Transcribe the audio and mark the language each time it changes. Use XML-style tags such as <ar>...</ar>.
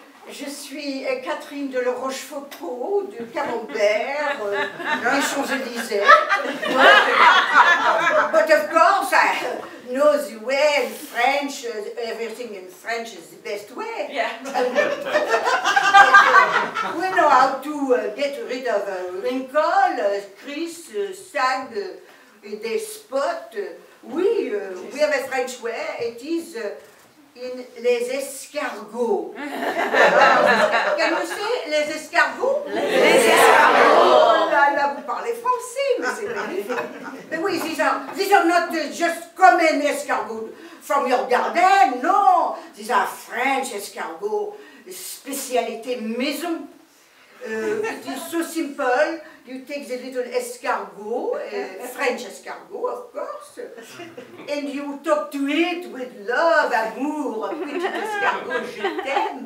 <fr>Je suis Catherine de la Rochefoucauld, du Camembert, des Champs-Élysées.</fr> <en>But of course, I know the way in French, everything in French is the best way. Yeah. We know how to get rid of wrinkles, crease, sag,</en> <fr>des spots. Oui,</fr> <en>we have a French way. It is. In</en> <fr>les escargots.</fr> <en>Can you say</en> <fr>les escargots? Les escargots! Oh là là, vous parlez français, mais c'est magnifique. Mais oui,</fr> <en>these are not just common escargots from your garden, no. These are French escargots,</en> <fr>spécialité maison.</fr> <en>It is so simple. You take the little escargot, French escargot, of course, and you talk to it with love,</en> <fr>amour,</fr> <en>which escargot</en> <fr>je t'aime.</fr>